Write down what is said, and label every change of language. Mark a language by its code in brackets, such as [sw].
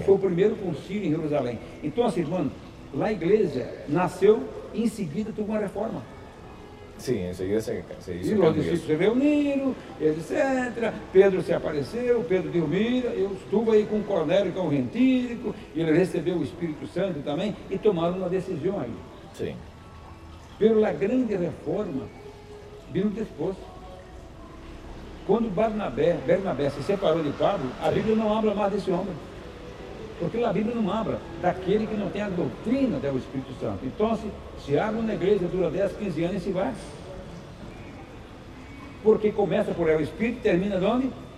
[pt] Que foi o primeiro concílio em Jerusalém. Então, assim, irmão, lá a igreja nasceu e em seguida teve uma reforma. [es] Sim, enseguida se [pt] hizo. E os discípulos se reuniram, etc. Pedro se apareceu, Pedro deu mira. Eu estuve aí com o Cornélio, que é um gentílico, e ele recebeu o Espírito Santo também, e tomaram uma decisão aí. Sim. [es] Pero la grande reforma vino después. [pt] Quando Bernabé se separou de Pablo, a Bíblia não habla mais desse homem. Porque a Bíblia não habla daquele que não tem a doutrina do Espírito Santo. Então, se abre uma igreja, dura 10, 15 anos e se vai. Porque começa por o Espírito e termina de onde?